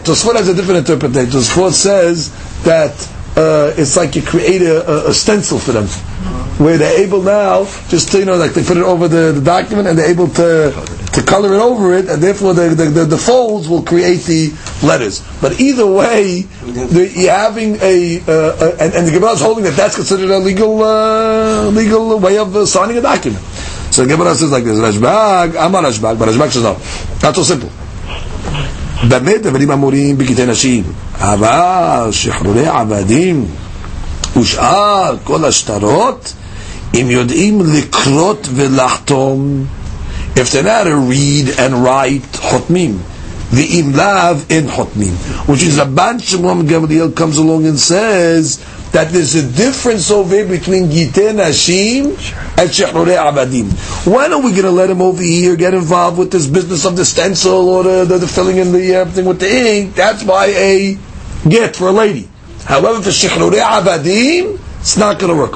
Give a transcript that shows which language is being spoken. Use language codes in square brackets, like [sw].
[en] So Sfor has a different interpretation. Sfor says that it's like you create a stencil for them, where they're able now, just to, you know, like they put it over the document and they're able to color it over it, and therefore the folds will create the letters. But either way, you're having and the Gemara is holding that's considered a legal way of signing a document. So the Gemara says like this, Rashbag, I'm not Rashbag, but Rashbag says no. Not so simple. [he] באמת, עבדים אמורים בגיטי נשים, אבל שחרורי עבדים ושאר כל השטרות, אם יודעים לקרות ולחתום, [en] if they know how to read and write, [he] חותמים, ואם לאו, אין חותמים. [en] Which is Rabban Shimon Gamliel comes along and says that there's a difference over here between Gittin Nashim and Shechrurei Abadim. When are we going to let him over here get involved with this business of the stencil or the filling in the thing with the ink? That's by a get for a lady. However, for Shechrurei Abadim, it's not going to work.